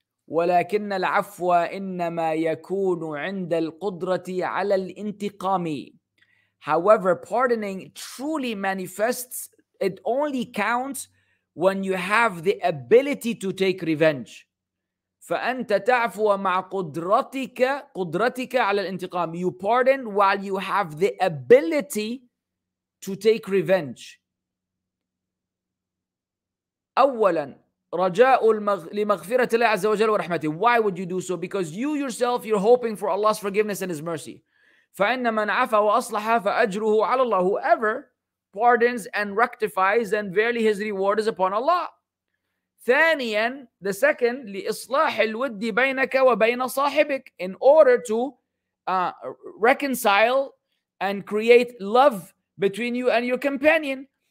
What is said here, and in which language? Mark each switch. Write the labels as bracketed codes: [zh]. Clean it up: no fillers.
[ar] ولكن العفو إنما يكون عند القدرة على الانتقام. [en] However, pardoning truly manifests, it only counts when you have the ability to take revenge. [ar] فأنت تعفو مع قدرتك على الانتقام. [en] You pardon while you have the ability to take revenge. [ar] أولا رجاء لمغفرة الله عز وجل ورحمته. [en] Why would you do so? Because you yourself, you're hoping for Allah's forgiveness and His mercy. [ar] فإن من عفا وأصلح فأجره على الله. [en] Whoever pardons and rectifies, then verily his reward is upon Allah. ثانيا, the second, [ar] لإصلاح الود بينك وبين صاحبك, [en] in order to reconcile and create love between you and your companion.